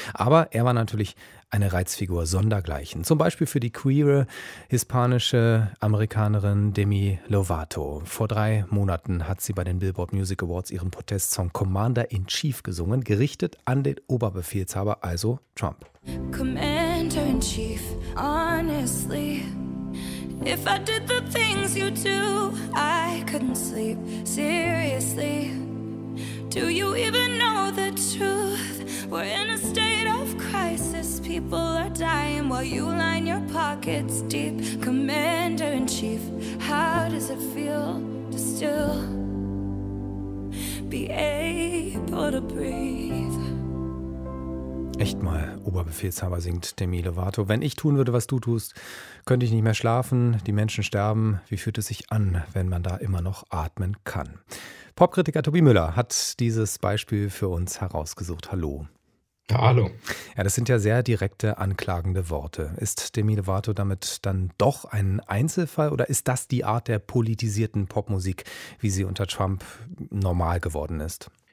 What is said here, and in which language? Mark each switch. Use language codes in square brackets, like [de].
[de] Aber er war natürlich eine Reizfigur sondergleichen. Zum Beispiel für die queere hispanische Amerikanerin Demi Lovato. Vor 3 Monaten hat sie bei den Billboard Music Awards ihren Protestsong Commander in Chief gesungen, gerichtet an den Oberbefehlshaber, also Trump. [en] Commander in Chief, honestly. If I did the things you do, I couldn't sleep, seriously. Do you even know the truth? We're in a state of crisis, people are dying while you line your pockets deep. Commander-in-Chief, how does it feel to still be able to breathe? [de] Echt mal, Oberbefehlshaber, singt Demi Lovato. Wenn ich tun würde, was du tust, könnte ich nicht mehr schlafen. Die Menschen sterben. Wie fühlt es sich an, wenn man da immer noch atmen kann? Popkritiker Tobi Müller hat dieses Beispiel für uns herausgesucht. Hallo. Hallo. Ja, das sind ja sehr direkte, anklagende Worte. Ist Demi Lovato damit dann doch ein Einzelfall oder ist das die Art der politisierten Popmusik, wie sie unter Trump normal geworden ist?